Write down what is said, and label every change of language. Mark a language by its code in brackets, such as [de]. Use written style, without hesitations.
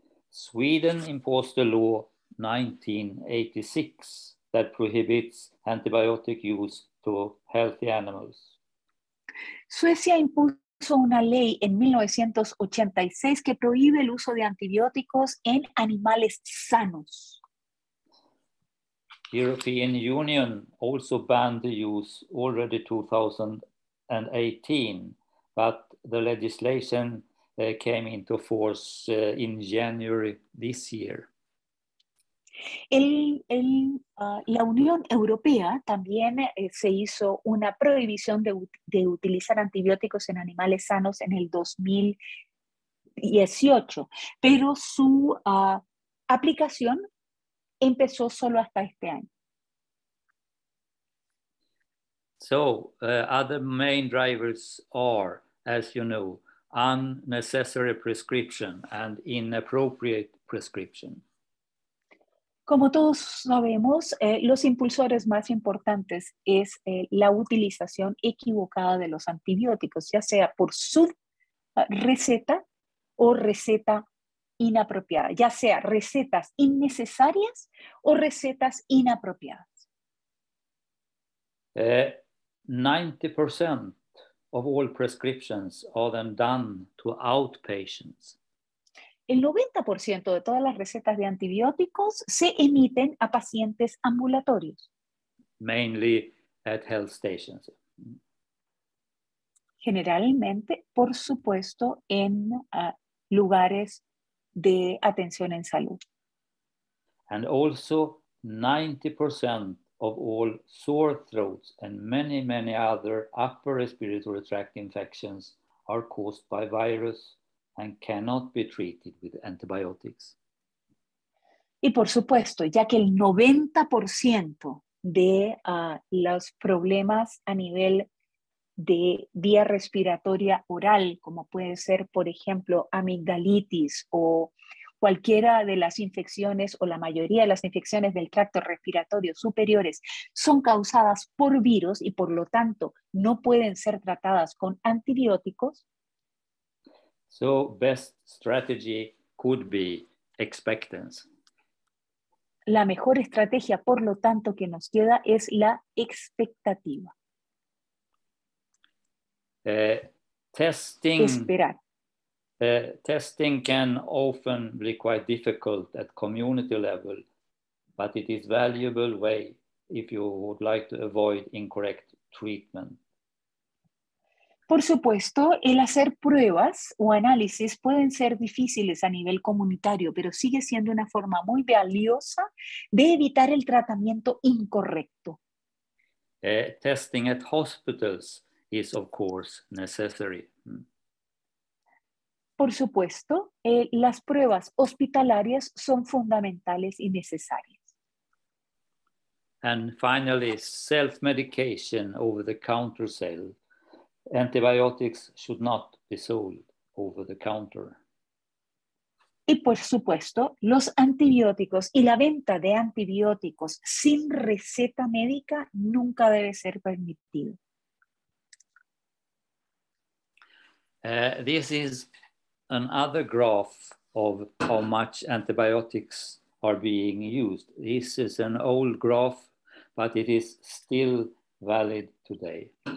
[en] Sweden imposed a law 1986 that prohibits antibiotic use to healthy animals. [es] Suecia impuso una ley en 1986 que prohíbe el uso de antibióticos en animales sanos. [en] European Union also banned the use already 2018, but the legislation came into force in January this year. [es] La Unión Europea también se hizo una prohibición de utilizar antibióticos en animales sanos en el 2018, pero su aplicación empezó solo hasta este año. [en] So, other main drivers are, as you know, unnecessary prescription and inappropriate prescription. [es] Como todos sabemos, los impulsores más importantes es la utilización equivocada de los antibióticos, ya sea por subreceta o receta inapropiada, ya sea recetas innecesarias o recetas inapropiadas. [en] 90% of all prescriptions are then done to outpatients. [es] El 90% de todas las recetas de antibióticos se emiten a pacientes ambulatorios. [en] Mainly at health stations. [es] Generalmente, por supuesto, en lugares de atención en salud. [en] And also 90% of all sore throats and many, many other upper respiratory tract infections are caused by virus and cannot be treated with antibiotics. [es] Y por supuesto, ya que el 90% de los problemas a nivel de vía respiratoria oral, como puede ser, por ejemplo, amigdalitis o cualquiera de las infecciones o la mayoría de las infecciones del tracto respiratorio superiores son causadas por virus y por lo tanto no pueden ser tratadas con antibióticos. [en] So best strategy could be expectancy. [es] La mejor estrategia, por lo tanto, que nos queda es la expectativa. [en] Testing. [es] Esperar. [en] Testing can often be quite difficult at community level, but it is a valuable way if you would like to avoid incorrect treatment. [es] Por supuesto, el hacer pruebas o análisis pueden ser difíciles a nivel comunitario, pero sigue siendo una forma muy valiosa de evitar el tratamiento incorrecto. [en] Testing at hospitals is, of course, necessary. [es] Por supuesto, las pruebas hospitalarias son fundamentales y necesarias. [en] And finally, self-medication over the counter sale. Antibiotics should not be sold over the counter. [es] Y por supuesto, los antibióticos y la venta de antibióticos sin receta médica nunca debe ser permitido. [en] This is another graph of how much antibiotics are being used. This is an old graph, but it is still valid today.